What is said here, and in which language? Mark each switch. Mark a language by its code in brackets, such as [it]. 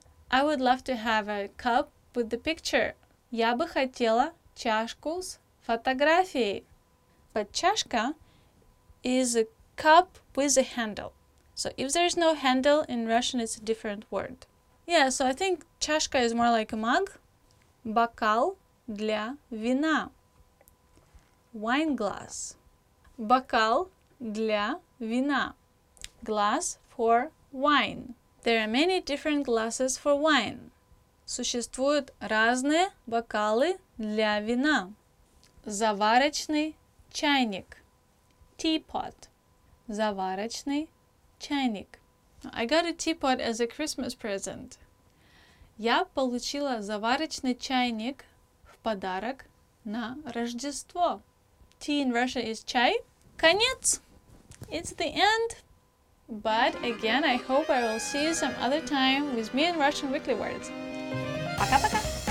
[en] I would love to have a cup with the picture. [ru] Я бы хотела чашку с фотографией. [en] But чашка is a cup with a handle. So if there is no handle in Russian, it's a different word. Yeah, so I think чашка is more like a mug. [ru] Бокал для вина. [en] Wine glass. [ru] Бокал для вина. [en] Glass for wine. There are many different glasses for wine. [ru] Существуют разные бокалы для вина. Заварочный чайник. Teapot. Заварочный чайник. [en] I got a teapot as a Christmas present. [ru] Я получила заварочный чайник в подарок на Рождество. [en] Tea in Russia is чай. Конец! It's the end. But again, I hope I will see you some other time with me in Russian Weekly Words. Пока-пока!